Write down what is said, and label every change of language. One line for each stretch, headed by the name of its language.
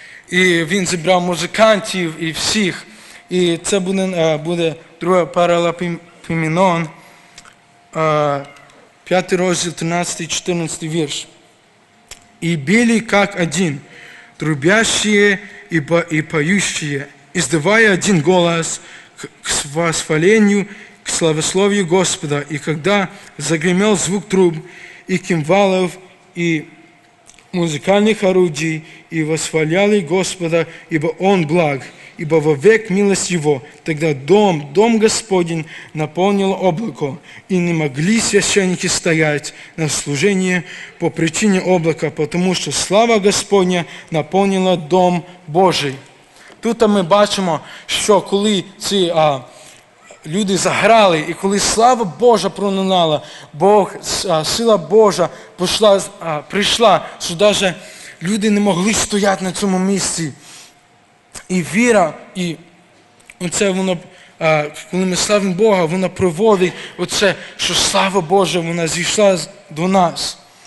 Ukrainian: І він зібрав музикантів і всіх. І це буде друга паралапімінон, 5 розділ, 13, 14 вірш.
Russian: «І білі, як один, трубящие і поющие, издавая один голос к восхвалению, к славословию Господа, и когда загремел звук труб, и кимвалов, и музыкальных орудий, и восхваляли Господа, ибо Он благ». Ибо вовек милость Его, тогда дом Господень наполнил облако, и не могли священники стоять на служении по причине облака, потому что слава Господня наполнила дом Божий.
Ukrainian: Тут мы бачимо, що коли ці люди заграли, і коли слава Божа пронунала, Бог, сила Божа прийшла, що даже люди не могли стояти на цьому місці. І віра, і оце воно, коли ми славимо Бога, воно проводить оце, що слава Божа, вона зійшла до нас.